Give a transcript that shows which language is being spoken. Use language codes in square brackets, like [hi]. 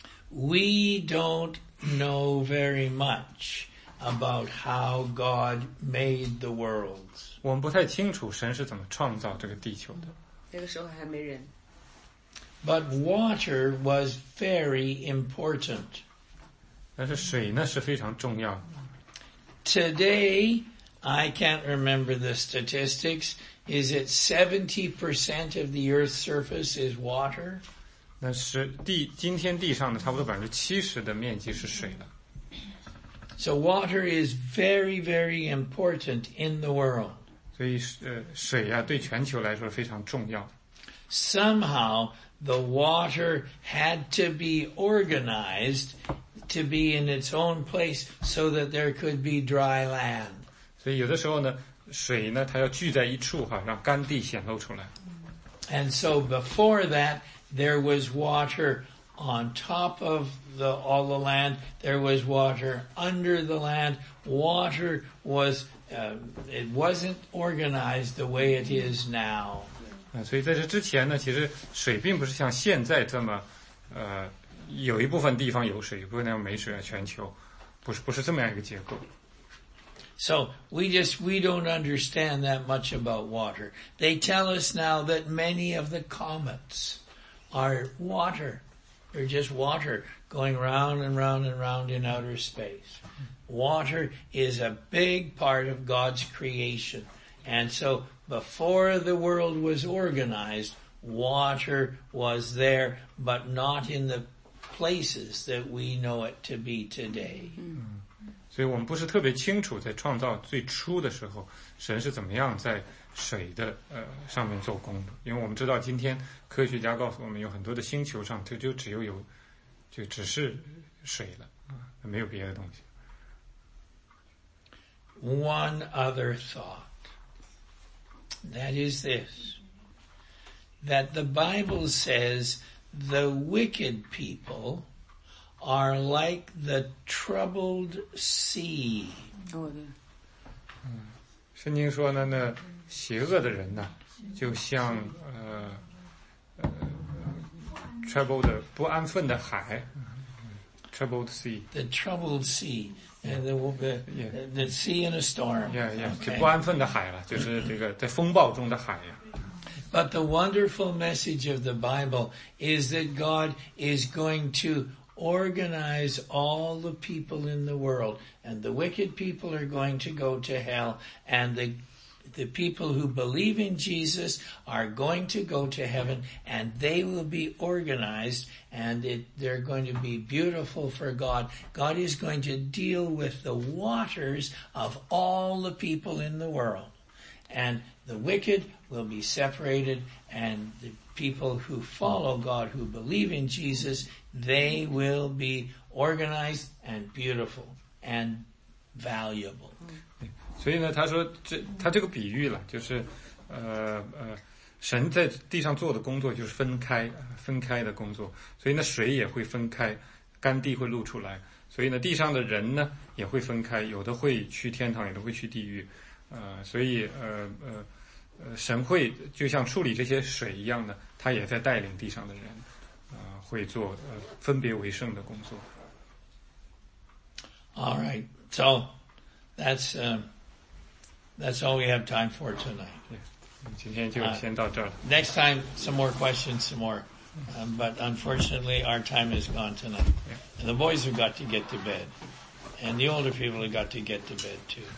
[en] We don't know very much about how God made the worlds. [zh] 我们不太清楚神是怎么创造这个地球的。那个时候还没人。 [en] But water was very important. [zh] 但是水呢是非常重要。 [en] Today, I can't remember the statistics. Is it 70% of the Earth's surface is water? [zh] 那是地今天地上的差不多70%的面积是水的。 [en] So water is very, very important in the world. [zh] 所以水啊对全球来说非常重要。 [en] Somehow, the water had to be organized to be in its own place so that there could be dry land. [zh] 所以有的时候呢水呢它要聚在一处哈让干地显露出来。 [en] And so before that, there was water on top of all the land, there was water under the land, water was, it wasn't organized the way it is now. [zh] 所以在这之前呢其实水并不是像现在这么有一部分地方有水有部分地方没水啊全球不是这么样一个结构。 [en] So, we don't understand that much about water. They tell us now that many of the comets are water. They're just water going round and round and round in outer space. Water is a big part of God's creation. And so, before the world was organized, water was there, but not in the places that we know it to be today. [zh] 所以我们不是特别清楚在创造最初的时候神是怎么样在水的上面做工的。因为我们知道今天科学家告诉我们有很多的星球上就只有就只是水了没有别的东西。 [en] One other thought. That is this. That the Bible says the wicked people are like the troubled sea. [zh] 圣经说呢那邪恶的人呢就像 [en] troubled, [zh] 不安分的海 [en] troubled sea. The troubled sea. And the sea in a storm. Yeah, yeah,、 okay. [zh] 就不安分的海了就是这个在风暴中的海呀。 [en] But the wonderful message of the Bible is that God is going to organize all the people in the world, and the wicked people are going to go to hell, and the people who believe in Jesus are going to go to heaven, and they will be organized, and they're going to be beautiful for God. God is going to deal with the waters of all the people in the world, and the wicked will be separated, and the people who follow God, who believe in Jesus,They will be organized and beautiful and valuable. [zh] 所以呢他说他这个比喻了就是神在地上做的工作就是分开的工作。所以呢水也会分开干地会露出来。所以呢地上的人呢也会分开有的会去天堂有的会去地狱。所以神会就像处理这些水一样的他也在带领地上的人。会做分别为圣的工作。 [en] All right, so that's all we have time for tonight. [zh] Yeah, 今天就先到这儿了。 [en] Next time, some more questions, some more. But unfortunately, our time is gone tonight. Yeah. And the boys have got to get to bed, and the older people have got to get to bed too.